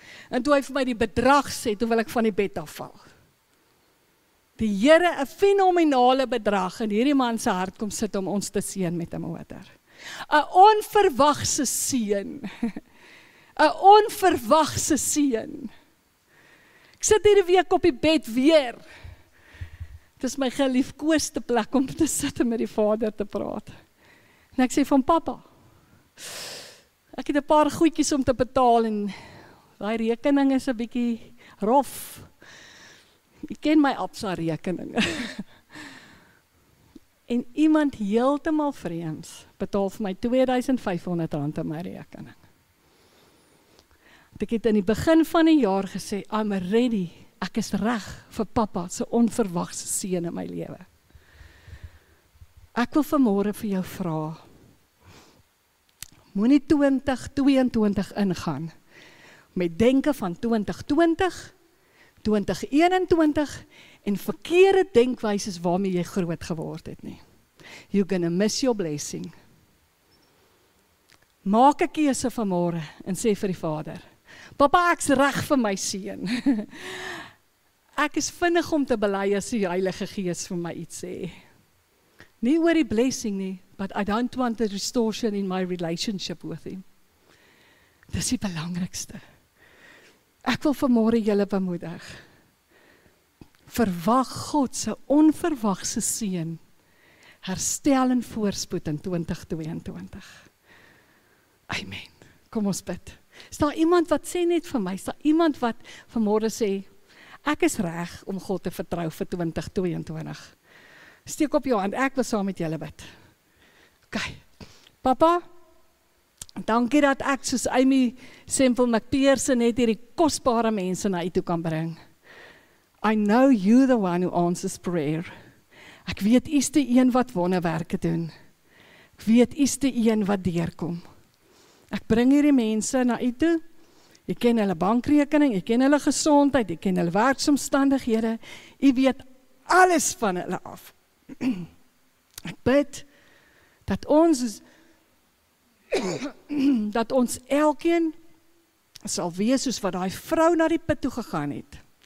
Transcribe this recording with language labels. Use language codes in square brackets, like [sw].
[af] En toe hy vir my die bedrag sê, toe wil ek van die bed afval. Die Here, 'n fenomenale bedrag, en hierdie man se hart kom sit om ons te seën met 'n motor. 'N onverwagse seën. 'N onverwagse seën. Ek sit hierdie week op die bed weer. Het is my geliefkoosde plek om te sit en met die vader te praat. En ek sê van papa, ek het 'n paar goedjies om te betaal en die rekening is 'n bietjie rof. Jy ken my APSA rekening. En iemand heeltemal vreemds betaal vir my R2,500 aan my rekening. Ek het in die begin van die jaar gesê, [en] I'm ready, [af] ek is reg vir papa, so onverwagse seën in my lewe. Ek wil vanmôre vir jou vra, moenie 2022 ingaan met denke van 2020, 2021 en verkeerde denkwyses waarmee jy groot geword het nie. [en] You're gonna miss your blessing. [af] Maak 'n keuse vanmôre en sê vir die Vader, Papa, ek is reg vir my seun. Ek is vinnig om te bely as die Heilige Gees vir my iets sê. Nie oor die blessing nie, [en] but I don't want the distortion in my relationship with him. [af] Dis die belangrikste. Ek wil vanmôre julle bemoedig. Verwag God se onverwagse seun. Herstel en voorspoed in 2022. Amen. Kom ons bid. Is daar iemand wat sê net vir my, is daar iemand wat vanmorgen sê, ek is reg om God te vertrou vir 2022. Steek op jou hand, ek wil saam met julle bid. Ok, papa, dankie dat ek soos Amy Semple McPherson net hierdie kostbare mense na u toe kan bring. [en] I know you the one who answers prayer. [af] Ek weet, u is die een wat wonderwerke doen. Ek weet, u is die een wat deurkom. Ek bring hierdie mense na u toe Jy ken hulle bankrekening, jy ken hulle gesondheid, jy ken hulle werksomstandighede. Jy weet alles van hulle af. Ek bid dat ons elkeen sal wees soos wat daai vrou na die put toe gegaan het.